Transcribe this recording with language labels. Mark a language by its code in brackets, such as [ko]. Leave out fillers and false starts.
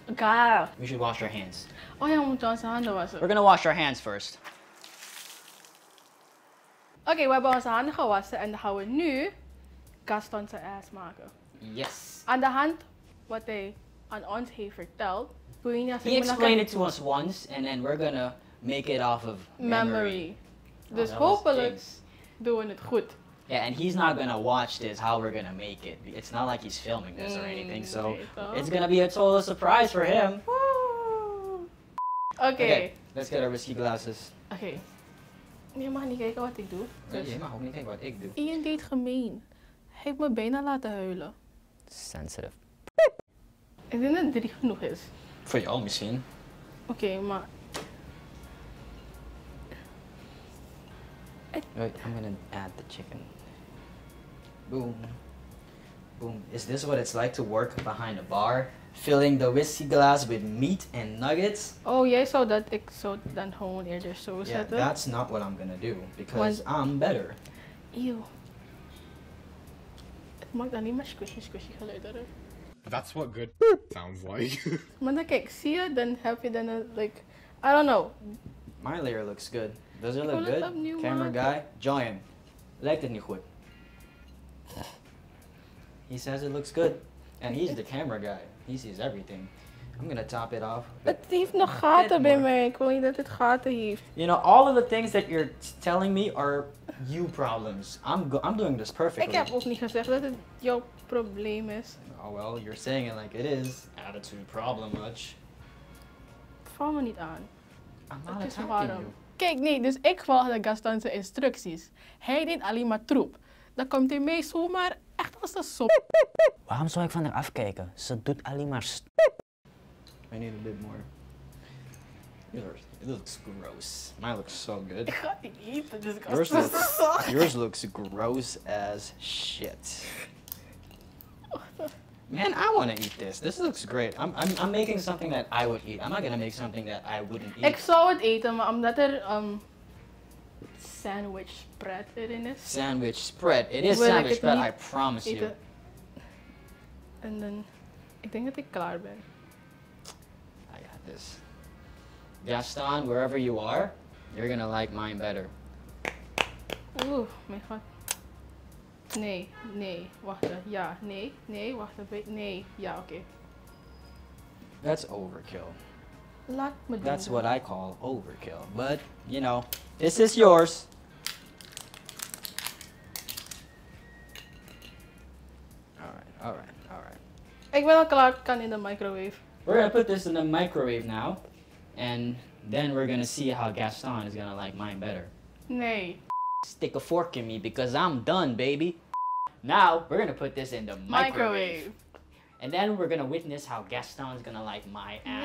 [en] We should wash our hands. [nl] Oh ja, we moeten onze handen wassen. [en] We're gonna wash our hands first. [nl] Oké, we hebben onze handen gewassen en dan gaan we nu Gaston zijn ass maken. [en] Yes. [nl] Aan de hand wat hij aan ons heeft verteld. [en] He explained it to us once and then we're gonna make it off of memory. [nl] Dus hopelijk doen we het goed. [en] Yeah, and he's not gonna watch this, how we're gonna make it. It's not like he's filming this or anything, so it's gonna be a total surprise for him. Woo! Okay. Okay, let's get our whiskey glasses. Okay. [nl] Je mag niet kijken wat ik doe. Je mag ook niet kijken wat ik doe. Ian deed gemeen. Hij heeft mijn benen laten huilen. [en] Sensitive. [nl] Ik denk dat 3 genoeg is. Voor jou misschien. Okay, maar... [en] Wait, I'm gonna add the chicken. Boom. Boom. Is this what it's like to work behind a bar? Filling the whiskey glass with meat and nuggets? [nl] Oh, jij zou dat ik zo dan gewoon eerder zo zetten? [en] Yeah, that's not what I'm gonna do. Because I'm better. [nl] Ew. Het maakt dan niet meer squishy geluid, hoor. [en] That's what good sounds like. [nl] Maar dan kijk, zie je, dan heb je dan like, [en] I don't know. My layer looks good. Does it look good? Camera guy, Joyen. [nl] Lijkt het niet goed. [en] He says it looks good. And he's the camera guy. He sees everything. I'm gonna top it off. [nl] Het heeft nog gaten bij mij. Ik wil niet dat het gaten heeft. [en] You know, all of the things that you're telling me are you problems. I'm doing this perfectly. [nl] Ik heb ook niet gezegd dat het jouw probleem is. [en] Oh well, you're saying it like it is. Attitude problem much. [nl] Val me niet aan. [en] I'm not attacking you. [nl] Kijk, nee, dus ik volgde Gaston zijn instructies. Hij deed alleen maar troep. Dan komt hij mee zomaar echt als een sop. Waarom zou ik van haar afkijken? Ze doet alleen maar [en] I need a bit more. It looks gross. Mine looks so good. [nl] Ik ga niet eten, dus Gaston. [en] Yours looks gross as shit. Man, I want to eat this. This looks great. I'm making something that I would eat. I'm not going to make something that I wouldn't eat. [nl] Ik zou het eten, maar omdat er sandwich spread erin is. [en] Sandwich spread. It is sandwich spread, I promise you. [nl] En dan, ik denk dat ik klaar ben. [en] I got this. Gaston, wherever you are, you're going to like mine better. [nl] Oeh, mijn god. Nee, nee, wacht, ja, nee, nee, wacht, nee, ja, oké. [en] That's overkill. [nl] Laat me doen. [en] That's what I call overkill, but, you know, this is yours. Alright. [nl] Ik ben al klaar, kan in de microwave. [en] We're gonna put this in the microwave now, and then we're gonna see how Gaston is gonna like mine better. [nl] Nee. [en] Stick a fork in me, because I'm done, baby. Now, we're gonna put this in the microwave. And then we're gonna witness how Gaston's gonna like my ass.